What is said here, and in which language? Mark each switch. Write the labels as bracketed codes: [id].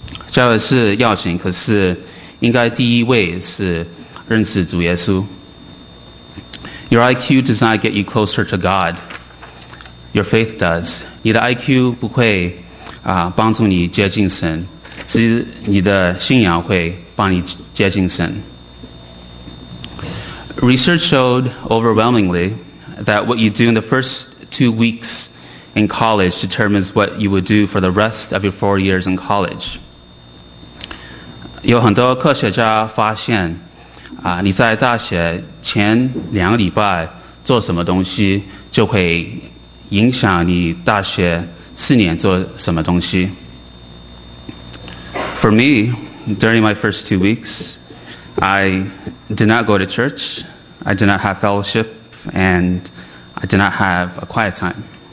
[zh] 教育是要紧可是应该第一位是认识主耶稣。 [en] Your IQ does not get you closer to God. Your faith does. [zh] 你的 IQ 不会帮助你接近神是你的信仰会帮你接近神。 [en] Research showed overwhelmingly that what you do in the first 2 weeks in college determines what you would do for the rest of your 4 years in college. [zh] 有很多科学家发现你在大学前两个礼拜做什么东西就会影响你大学四年做什么东西。 [en] For me, during my first 2 weeks, I did not go to church, I did not have fellowship, and I did not have a quiet time.